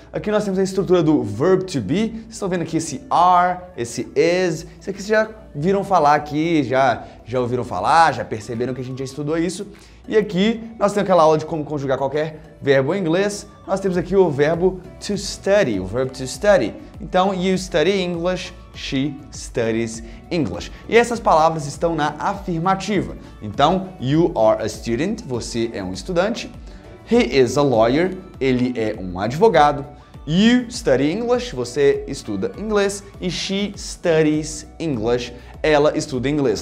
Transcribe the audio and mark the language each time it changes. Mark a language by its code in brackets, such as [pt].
[pt] Aqui nós temos a estrutura do verb to be. Vocês estão vendo aqui esse are, esse is. Isso aqui vocês já viram falar aqui, já ouviram falar, já perceberam que a gente já estudou isso. E aqui nós temos aquela aula de como conjugar qualquer verbo em inglês. Nós temos aqui o verbo to study, o verb to study. [en] Então, you study English, she studies English. [pt] E essas palavras estão na afirmativa. Então, [en] you are a student, [pt] você é um estudante. [en] He is a lawyer, [pt] ele é um advogado. [en] You study English, [pt] você estuda inglês. E [en] she studies English, [pt] ela estuda inglês.